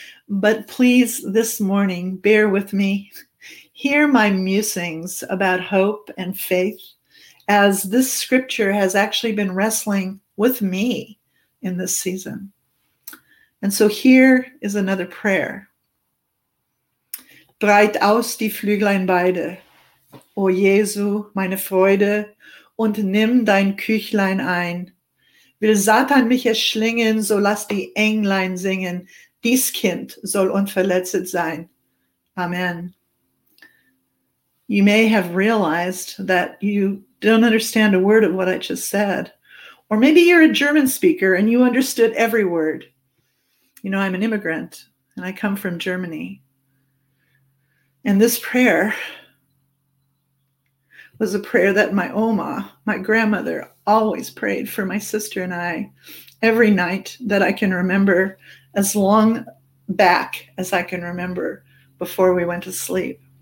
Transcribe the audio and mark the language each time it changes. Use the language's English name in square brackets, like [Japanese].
[English] But please, this morning, bear with me. Hear my musings about hope and faith, as this scripture has actually been wrestling with me in this season. And so here is another prayer. [German] Breit aus die Flüglein beide, o Jesu, meine Freude, und nimm dein Küchlein ein. Will Satan mich erschlingen, so lass die Englein singen. Dies Kind soll unverletzt sein. Amen. [English] You may have realized that you don't understand a word of what I just said. Or maybe you're a German speaker and you understood every word. You know, I'm an immigrant and I come from Germany. And this prayer was a prayer that my Oma, my grandmother, always prayed for my sister and I every night that I can remember, as long back as I can remember, before we went to sleep.